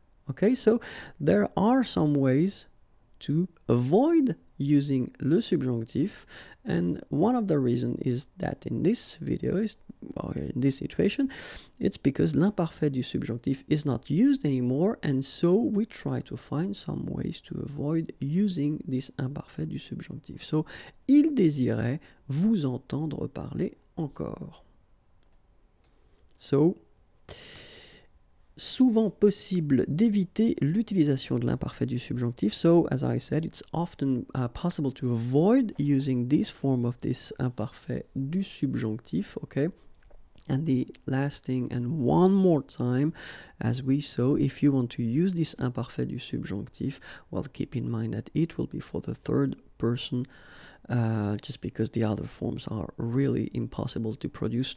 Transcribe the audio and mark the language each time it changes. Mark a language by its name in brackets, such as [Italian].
[English] Okay, so there are some ways to avoid using le subjonctif, and one of the reasons is that in this video, is well, in this situation, it's because l'imparfait du subjonctif is not used anymore, and so we try to find some ways to avoid using this imparfait du subjonctif. [French] So, il désirait vous entendre parler encore. So, souvent possible d'éviter l'utilisation de l'imparfait du subjonctif. [English] So, as I said, it's often possible to avoid using this form of this imparfait du subjonctif, okay? And the last thing, and one more time, as we saw, if you want to use this imparfait du subjonctif, well, keep in mind that it will be for the third person, just because the other forms are really impossible to produce.